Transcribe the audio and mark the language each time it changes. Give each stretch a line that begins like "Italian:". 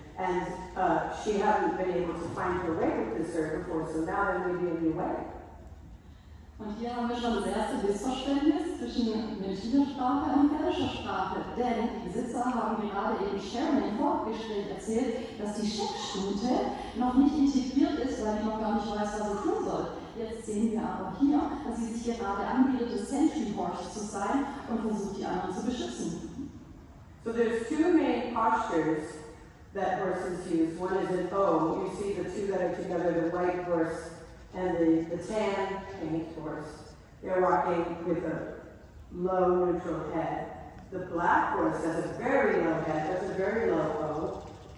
English: And she hadn't been able to find her way with this herd before, so now there may be a new way.
German: Und hier haben wir schon das erste Missverständnis. zwischen menschlicher Sprache und Pferdischer Sprache, denn die Besitzer haben gerade eben Sharon im Vorgespräch erzählt, dass die Checkstute noch nicht integriert ist, weil die noch gar nicht weiß, was sie tun soll. Jetzt sehen wir aber hier, dass sie sich gerade anbietet, das Sentry Horse zu sein und versucht, die anderen zu beschützen.
English: So there's two main postures that horses use. One is an O. You see the two that are together, the white horse and the tan paint horse. They're walking with a low, neutral head. The black horse has a very low head, has a very low O.